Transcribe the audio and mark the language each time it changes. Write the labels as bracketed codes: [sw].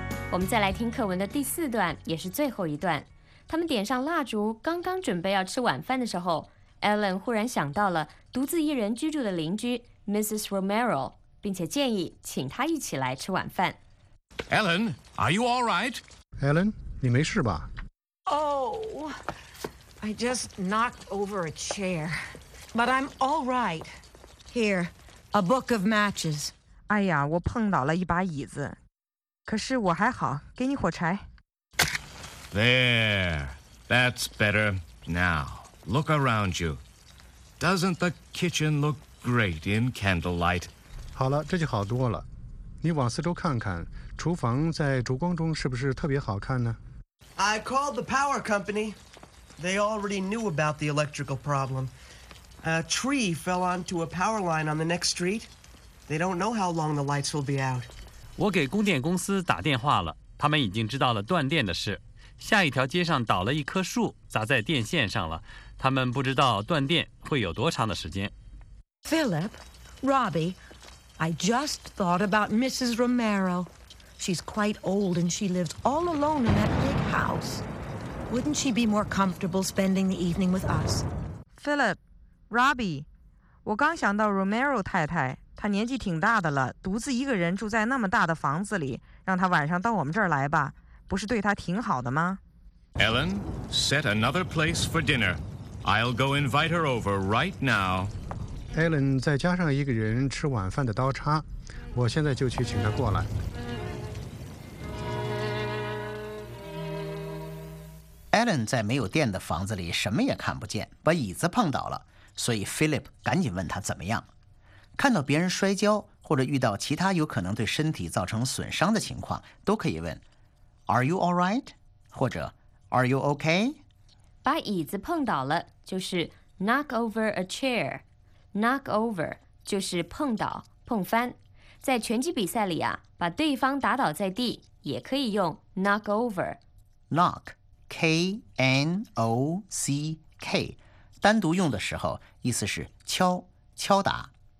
[zh] 我们再来听课文的第四段，也是最后一段。他们点上蜡烛，刚刚准备要吃晚饭的时候， Ellen 忽然想到了独自一人居住的邻居 Mrs. Romero， 并且建议请她一起来吃晚饭。 [en] Ellen, are you all right? [zh] Ellen, 你没事吧？ [en] Oh, I just knocked over a chair, but I'm all right. Here, a book of matches. [zh] 哎呀，我碰倒了一把椅子。可是我还好，给你火柴。 [en] There, that's better. Now, look around you. Doesn't the kitchen look great in candlelight? [zh] 好了，这就好多了。你往四周看看，厨房在烛光中是不是特别好看呢？ [en] I called the power company. They already knew about the electrical problem. A tree fell onto a power line on the next street. They don't know how long the lights will be out. [zh] 我给供电公司打电话了，他们已经知道了断电的事。下一条街上倒了一棵树，砸在电线上了，他们不知道断电会有多长的时间。 [en] Philip, Robbie, I just thought about Mrs. Romero. She's quite old and she lives all alone in that big house. Wouldn't she be more comfortable spending the evening with us? [zh] Philip, Robbie, 我刚想到 Romero 太太。他年纪挺大的了，独自一个人住在那么大的房子里，让他晚上到我们这儿来吧，不是对他挺好的吗？ [en] Ellen, set another place for dinner. I'll go invite her over right now. [zh] Ellen, 再加上一个人吃晚饭的刀叉，我现在就去请她过来。 Ellen 在没有电的房子里什么也看不见，把椅子碰倒了，所以 Philip 赶紧问他怎么样。看到别人摔跤或者遇到其他有可能对身体造成损伤的情况，都可以问 [en] Are you all right? [zh] 或者 [en] Are you okay? [zh] 把椅子碰倒了就是 [en] knock over a chair. [zh] Knock over 就是碰倒碰翻。在拳击比赛里啊，把对方打倒在地也可以用 knock over. Knock, K-N-O-C-K, 单独用的时候意思是敲敲打。